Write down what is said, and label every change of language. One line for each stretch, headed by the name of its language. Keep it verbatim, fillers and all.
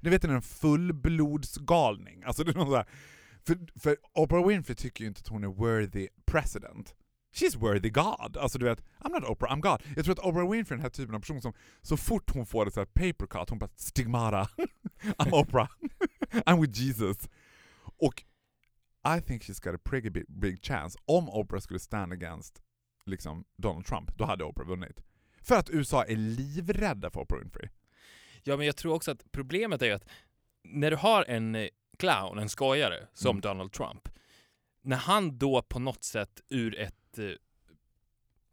Swedish: Du vet, det är en fullblodsgalning. Alltså det är någon så här... För, för Oprah Winfrey tycker ju inte att hon är
English: worthy president. She's worthy God.
Swedish: Alltså du vet,
English: I'm not Oprah, I'm God.
Swedish: Jag tror att Oprah Winfrey är den här typen av person som så fort hon får ett så här
English: paper cut,
Swedish: hon bara stigmata.
English: I'm Oprah. I'm with Jesus. Och I think she's got a pretty big, big chance.
Swedish: Om Oprah skulle
English: stand against
Swedish: liksom Donald Trump, då hade Oprah vunnit. För att U S A är livrädda för Oprah Winfrey. Ja, men jag tror också att problemet är att när du har en clown, en skojare, som mm. Donald Trump. När han då på något sätt ur ett eh,